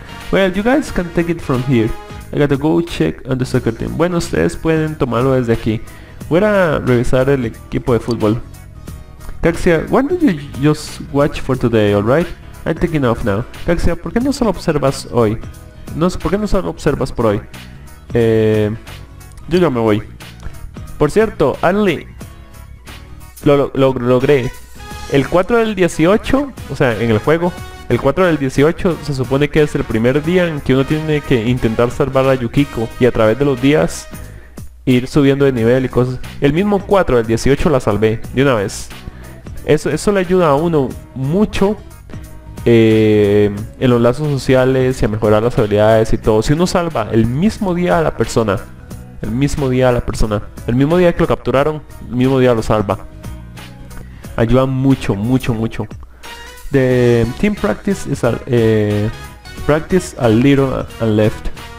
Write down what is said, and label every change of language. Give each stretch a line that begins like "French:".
English: Well, you guys can take it from here. I gotta go check on the soccer team.
Spanish: Bueno, ustedes pueden tomarlo desde aquí. Voy a revisar el equipo de fútbol.
English: Caxia, why don't you just watch for today, alright? I'm taking off now.
Spanish: Caxia, ¿por qué no solo observas hoy? No sé, ¿por qué no solo observas por hoy? Yo ya me voy. Por cierto, Ali. Lo logré. El 4 del 18, o sea, en el juego. El 4 del 18 se supone que es el primer día en que uno tiene que intentar salvar a Yukiko y a través de los días ir subiendo de nivel y cosas. El mismo 4 del 18 la salvé de una vez. Eso le ayuda a uno mucho en los lazos sociales y a mejorar las habilidades y todo. Si uno salva el mismo día a la persona, el mismo día que lo capturaron, el mismo día lo salva. ayuda mucho, mucho, mucho.
English: The team practice is a practice a little and left.